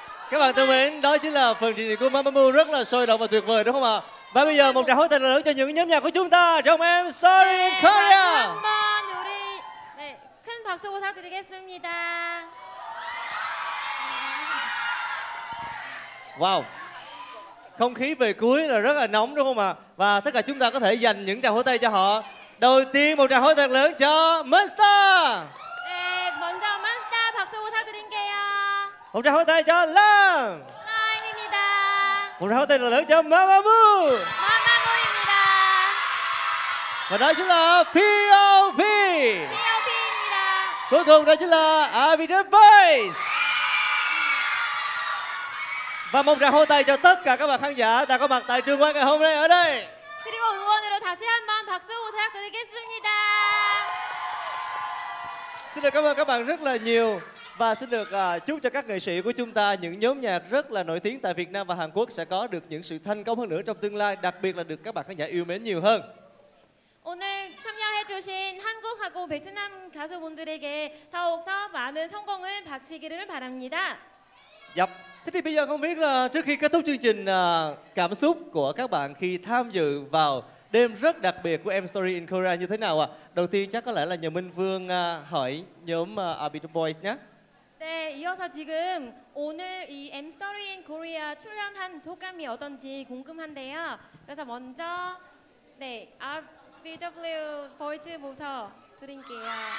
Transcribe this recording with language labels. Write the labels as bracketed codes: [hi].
[vi] Các bạn thân mến, đó chính là phần trình diễn của Mamamoo rất là sôi động và tuyệt vời đúng không ạ? Và bây giờ một tràng pháo tay lớn cho những nhóm nhạc của chúng ta trong em Sorry in Korea. [ko] 한번 우리 네, 큰 박수 부탁드리겠습니다. [vi] Wow, không khí về cuối là rất là nóng đúng không ạ? Và tất cả chúng ta có thể dành những tràng pháo tay cho họ. Đầu tiên một tràng pháo tay lớn cho Monster. [ko] Để 먼저 Monster 박수 부탁드릴게요. [vi] Một tràng pháo tay cho Lam. [ko] Lam입니다. [vi] Một tràng pháo tay lớn cho Mamamoo. [ko] Mamamoo입니다. [vi] Và đó chính là POV. [ko] POV입니다. [vi] Cuối cùng đó chính là Abi The Boys. Và một tràng pháo tay cho tất cả các bạn khán giả đã có mặt tại trường quay ngày hôm nay ở đây. [ko] 그리고 응원으로 다시 한번 박수 부탁드리겠습니다. [vi] Xin được cảm ơn các bạn rất là nhiều và xin được chúc cho các nghệ sĩ của chúng ta những nhóm nhạc rất là nổi tiếng tại Việt Nam và Hàn Quốc sẽ có được những sự thành công hơn nữa trong tương lai, đặc biệt là được các bạn khán giả yêu mến nhiều hơn. [ko] 오늘 참여해주신 한국하고 베트남 가수분들에게 더욱더 많은 성공을 바치기를 바랍니다. Yep. [vi] Thế thì bây giờ không biết là trước khi kết thúc chương trình cảm xúc của các bạn khi tham dự vào đêm rất đặc biệt của em Story in Korea như thế nào ạ? Đầu tiên chắc có lẽ là nhờ Minh Phương hỏi nhóm Abi The Boys nhé. [ko] 네, 이어서 지금 오늘 이 M Story in Korea 출연한 소감이 어떤지 궁금한데요. 그래서 먼저 네, RBW Boys부터 드릴게요.